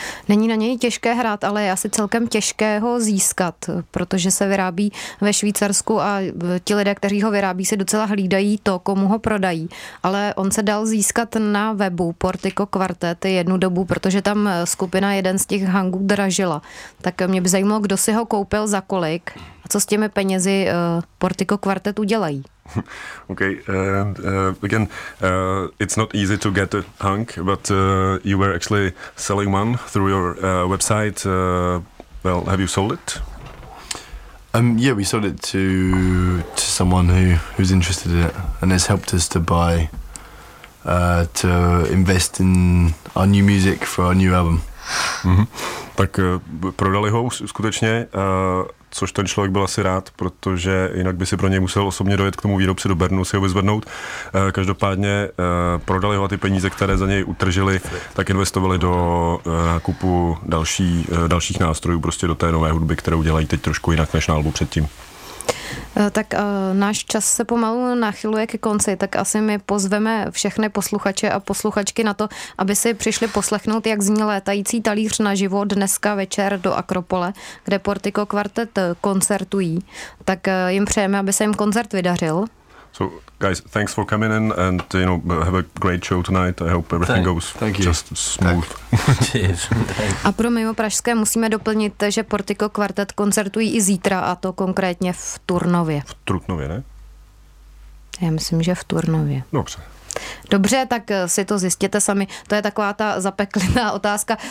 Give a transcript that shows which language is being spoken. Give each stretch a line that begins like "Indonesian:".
Czech: Není na něj těžké hrát, ale je asi celkem těžké ho získat, protože se vyrábí ve Švýcarsku a ti lidé, kteří ho vyrábí, si docela hlídají to, komu ho prodají. Ale on se dal získat na webu Portico Quartet jednu dobu, protože tam skupina jeden z těch hangů dražila. Tak mě by zajímalo, kdo si ho koupil za kolik. Co s těmi penězi Portico Quartet udělají?
English: Okay, again, it's not easy to get a hang, but you were actually selling one through your website. Well, have you sold it? Yeah, we sold it to someone who's interested in it, and it's helped us to buy, to invest in our new music for our new album.
Czech: Tak prodali ho skutečně, což ten člověk byl asi rád, protože jinak by si pro něj musel osobně dojet k tomu výrobci do Bernu, si ho vyzvednout. Každopádně prodali ho a ty peníze, které za něj utržili, tak investovali do nákupu dalších nástrojů, prostě do té nové hudby, kterou dělají teď trošku jinak než na albu předtím. Tak náš čas se pomalu nachyluje ke konci, tak asi my pozveme všechny posluchače a posluchačky na to, aby si přišli poslechnout, jak zní létající talíř naživo dneska večer do Akropole, kde Portico Quartet koncertují. Tak jim přejeme, aby se jim koncert vydařil.
English: So guys, thanks for coming in and you know, have a great show tonight. I hope everything goes just smooth. Cheers.
Czech: A pro Mimo Pražské musíme doplnit, že Portico Quartet koncertují i zítra, a to konkrétně v Turnově. V Trutnově, ne? Já myslím, že v Turnově. Dobře. Dobře, tak si to zjistěte sami. To je taková ta zapeklená otázka.